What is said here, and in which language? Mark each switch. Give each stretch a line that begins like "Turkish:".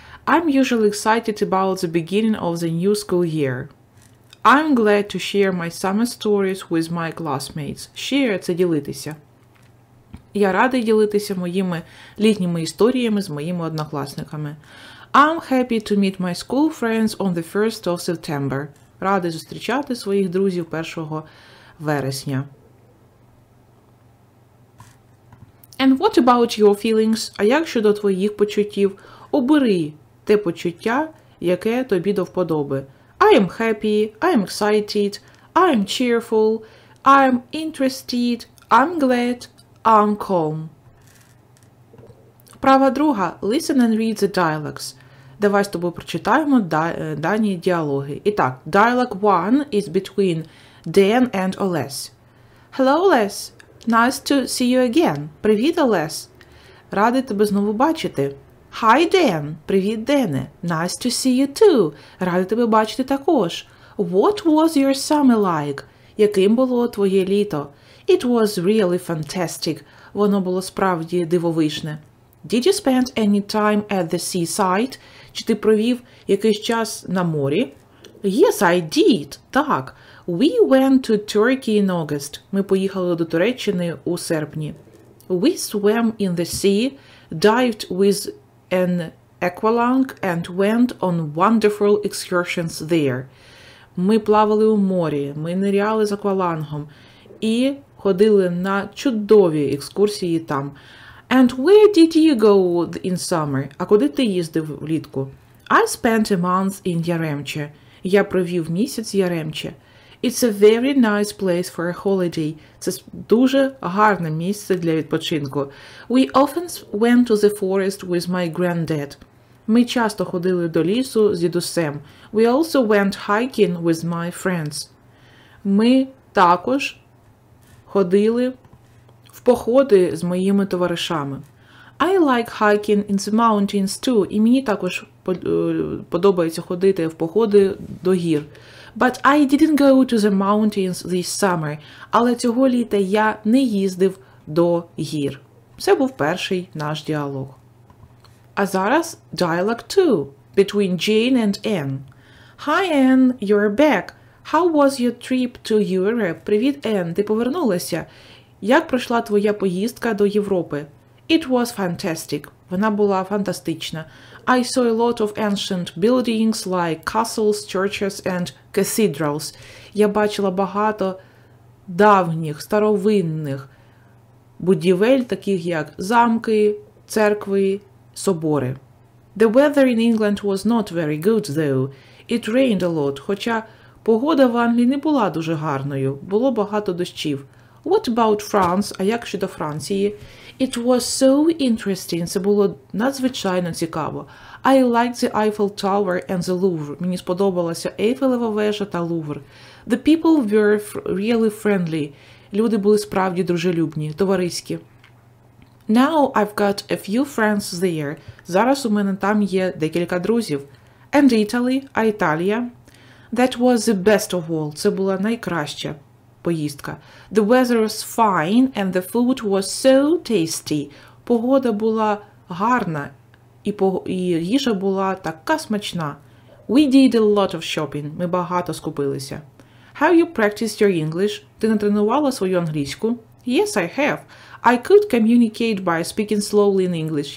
English: I'm usually excited about the beginning of the new school year. I'm glad to share my summer stories with my classmates.
Ukrainian: Share – це ділитися. Я радий ділитися моїми літніми історіями з моїми однокласниками.
English: I'm happy to meet my school friends on the 1st of September.
Ukrainian: Радий зустрічати своїх друзів 1 вересня.
English: And what about your feelings?
Ukrainian: А як щодо твоїх почуттів? Обери те почуття, яке тобі до вподоби.
English: I am happy, I am excited, I am cheerful, I am interested, I'm glad, I'm calm.
Ukrainian: Вправа друга.
English: Listen and read the dialogues.
Ukrainian: Давай з тобою прочитаємо дані діалоги. І так,
English: dialogue 1 is between Dan and Oles. Hello, Oles. Nice to see you again.
Ukrainian: Привіт, Oles. Радий тебе знову бачити.
English: Hi, Dan.
Ukrainian: Привіт, Дене.
English: Nice to see you too.
Ukrainian: Радий тебе бачити також.
English: What was your summer like?
Ukrainian: Яким було твоє літо?
English: It was really fantastic.
Ukrainian: Воно було справді дивовижне.
English: Did you spend any time at the seaside?
Ukrainian: Чи ти провів якийсь час на морі?
English: Yes, I did.
Ukrainian: Так.
English: We went to Turkey in August.
Ukrainian: Ми поїхали до Туреччини у серпні.
English: We swam in the sea, dived with an aqualung and went on wonderful excursions there.
Ukrainian: Ми плавали у морі, ми ниряли з аквалангом і ходили на чудові екскурсії там.
English: And where did you go in summer?
Ukrainian: А куди ти їздив влітку?
English: I spent a month in Яремче.
Ukrainian: Я провів місяць в Яремче.
English: It's a very nice place for a holiday.
Ukrainian: Це дуже гарне місце для відпочинку.
English: We often went to the forest with my granddad.
Ukrainian: Ми часто ходили до лісу з дідусем.
English: We also went hiking with my friends.
Ukrainian: Ми також ходили в походи з моїми товаришами.
English: I like hiking in the mountains too.
Ukrainian: І мені також подобається ходити в походи до гір.
English: But I didn't go to the mountains this summer.
Ukrainian: Але цього літа я не їздив до гір. Це був перший наш діалог. А зараз
English: dialogue 2 between Jane and Anne. Hi Anne, you're back. How was your trip to Europe?
Ukrainian: Привіт, Енн, ти повернулася. Як пройшла твоя поїздка до Європи?
English: It was fantastic.
Ukrainian: Вона була фантастична.
English: I saw a lot of ancient buildings like castles, churches and cathedrals.
Ukrainian: Я бачила багато давніх, старовинних будівель, таких як замки, церкви, собори.
English: The weather in England was not very good though. It rained a lot,
Ukrainian: хоча погода в Англії не була дуже гарною, було багато дощів.
English: What about France?
Ukrainian: А як щодо Франції?
English: It was so interesting.
Ukrainian: Це було надзвичайно цікаво.
English: I liked the Eiffel Tower and the Louvre.
Ukrainian: Мені сподобалася Ейфелева вежа та Лувр.
English: The people were really friendly.
Ukrainian: Люди були справді дружелюбні, товариські.
English: Now I've got a few friends there.
Ukrainian: Зараз у мене там є декілька друзів.
English: And Italy?
Ukrainian: А Італія?
English: That was the best of all.
Ukrainian: Це була найкраща поїздка.
English: The weather was fine and the food was so tasty.
Ukrainian: Погода була гарна і їжа була така смачна.
English: We did a lot of shopping.
Ukrainian: Ми багато скупилися.
English: Have you practiced your English?
Ukrainian: Ти натренувала свою англійську?
English: Yes, I have. I could communicate by speaking slowly in English.